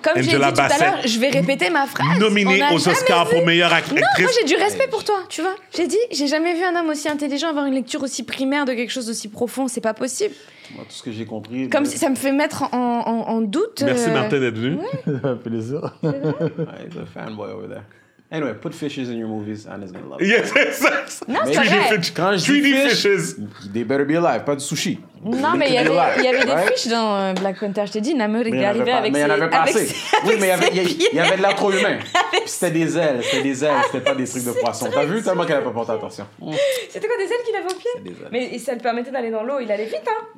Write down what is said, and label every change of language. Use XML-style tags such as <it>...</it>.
<fr>Comme Angela j'ai dit Bassett, tout à l'heure, je vais répéter ma phrase. Nominée aux Oscars pour meilleure actrice. Non, moi j'ai du respect pour toi, tu vois. J'ai dit, j'ai jamais vu un homme aussi intelligent avoir une lecture aussi primaire de quelque chose d'aussi profond. C'est pas possible. Moi, tout ce que j'ai compris. Comme si ça me fait mettre en doute. Merci Martin d'être venu. Ouais. Plaisir. C'est vrai.</fr> <en>Ouais, he's a fanboy over there. Anyway, put fishes in your movies and he's gonna love it. Yes, yes, yes.</en> <fr>Non, mais c'est vrai. Quand je dis</fr> <en>fishes, they better be alive,</en> <fr>pas de sushi. Non, mais il y avait des fiches dans Black Panther. Je t'ai dit, Namor est arrivé avec ses pieds. Mais il y en avait pas assez. Oui, mais il y avait de l'intro humain. C'était des ailes, c'était pas des trucs de poisson. T'as vu tellement qu'elle n'avait pas porté attention. C'était quoi, des ailes qu'il avait au pied? Mais ça le permettait d'aller dans l'eau, il allait vite, hein?</fr>